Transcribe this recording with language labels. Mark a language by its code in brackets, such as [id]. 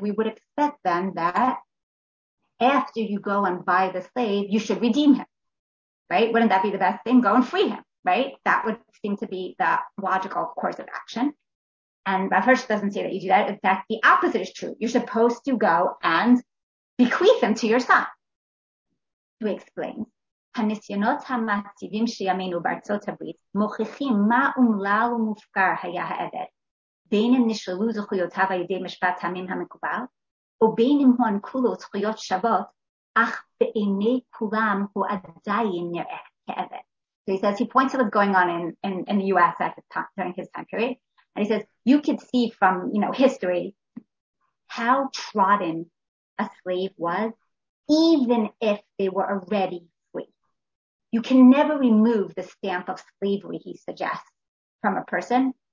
[en] We would expect then that after you go and buy the slave, you should redeem him, right? Wouldn't that be the best thing? Go and free him, right? That would seem to be the logical course of action. And Rav Hirsch doesn't say that you do that. In fact, the opposite is true. You're supposed to go and bequeath him to your son. He explains, [he] הניסיונות המעציבים שימינו בארצות הברית מוכיחים מה אומלל ומופקר היה העבד, בין אם נשללו זכויותיו על ידי משפט המין המקובל, או בין אם הוענקו לו זכויות שוות, אך בעיני כולם הוא עדיין נראה כעבד. [en] So he says, he points to what's going on in the U.S. at the time, during his time period. And he says, you could see from, you know, history how trodden a slave was, even if they were already free. You can never remove the stamp of slavery, he suggests, from a person.